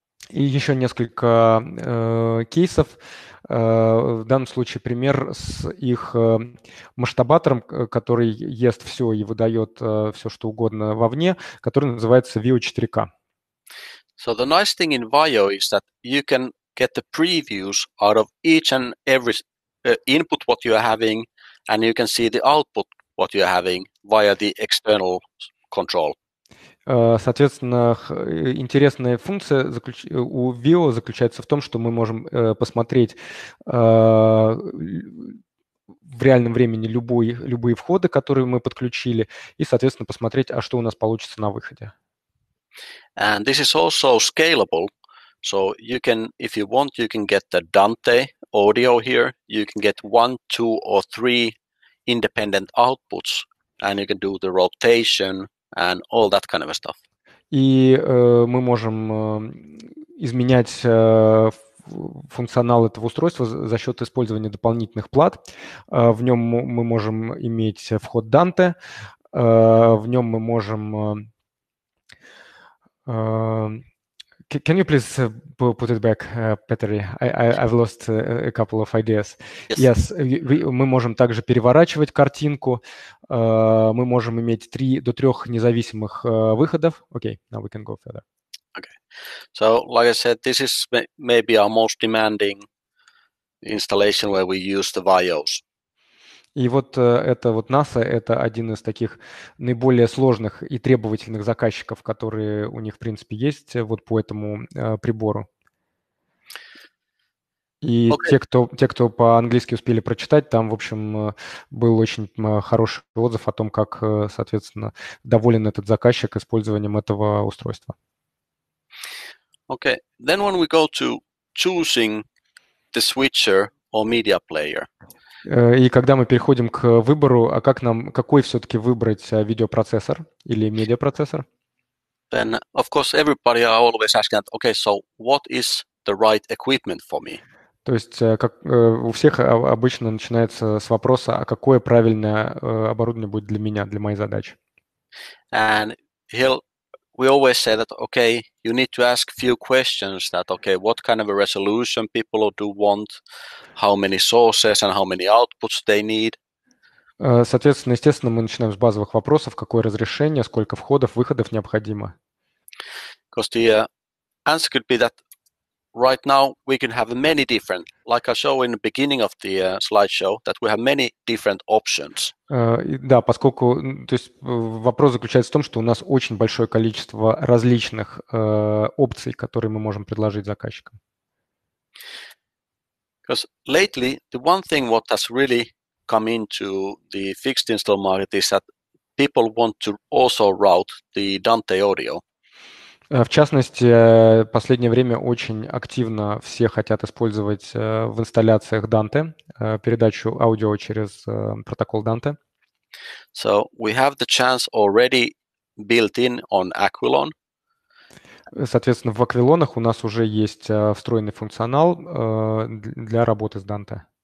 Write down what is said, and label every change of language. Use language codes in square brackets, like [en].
[ru] И еще несколько кейсов. В данном случае пример с их масштабатором, который ест все и выдает все, что угодно вовне, который называется Vio 4K. [en] So the nice thing in Vio is that you can get the previews out of each and every input what you are having. And you can see the output, what you're having, via the external control. [ru] Соответственно, интересная функция у Vio заключается в том, что мы можем посмотреть в реальном времени любые входы, которые мы подключили, и, соответственно, посмотреть, а что у нас получится на выходе. [en] And this is also scalable. So you can, if you want, you can get the Dante audio here. You can get one, two, or three independent outputs, and you can do the rotation and all that kind of stuff. [ru] И мы можем изменять функционал этого устройства за счет использования дополнительных плат. В нем мы можем иметь вход Dante, в нем мы можем... [en] Can you please put it back, Petteri? I've lost a couple of ideas. Yes. Yes, [ru] мы можем также переворачивать картинку. Мы можем иметь до трех независимых выходов. [en] Okay, now we can go further. Okay. So, like I said, this is maybe our most demanding installation where we use the VIOs. [ru] И вот это вот NASA, это один из таких наиболее сложных и требовательных заказчиков, которые у них, в принципе, есть вот по этому прибору. И okay. те, кто по-английски успели прочитать, там, в общем, был очень хороший отзыв о том, как, соответственно, доволен этот заказчик использованием этого устройства. [en] Okay, then when we go to choosing the switcher or media player. [ru] И когда мы переходим к выбору, а как нам, какой все-таки выбрать видеопроцессор или медиапроцессор? [en] Then, of course, everybody are always asking, okay, so what is the right equipment for me? [ru] То есть как у всех обычно начинается с вопроса, а какое правильное оборудование будет для меня, для моей задачи? [en] And we always say that, okay, you need to ask a few questions that, okay, what kind of a resolution people do want, how many sources and how many outputs they need. [ru] Соответственно, естественно, мы начинаем с базовых вопросов, какое разрешение, сколько входов, выходов необходимо. [en] Because the answer could be that right now we can have many different, like I showed in the beginning of the slideshow, that we have many different options. [ru] Да, поскольку, то есть вопрос заключается в том, что у нас очень большое количество различных опций, которые мы можем предложить заказчикам. [en] Because lately the one thing what has really come into the fixed install market is that people want to also route the Dante audio. [ru] В частности, в последнее время очень активно все хотят использовать в инсталляциях Dante, передачу аудио через протокол Dante. [en] So we have the chance already built in on Aquilon. [ru] Соответственно, в Аквилонах у нас уже есть встроенный функционал для работы с Dante.